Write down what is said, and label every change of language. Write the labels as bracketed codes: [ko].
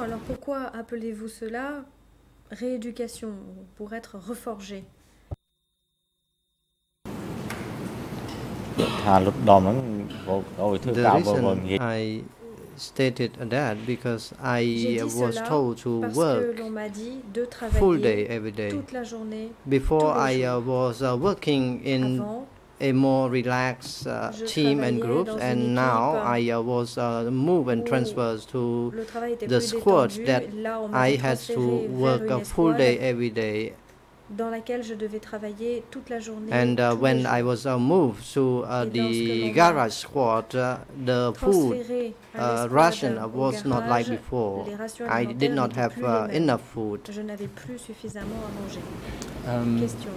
[fr] Alors pourquoi appelez-vous cela rééducation pour être reforgé? [en] I stated that because I was told to work full day every day before I was working in a more relaxed team and groups, and now I was moved and transferred to the squad that I had to work a full day every day. [fr] Dans laquelle je devais travailler toute la journée. [en] And when I was moved to the garage squad, the food ration was not like before. I did not have enough food. [fr] Je n'avais plus suffisamment à manger.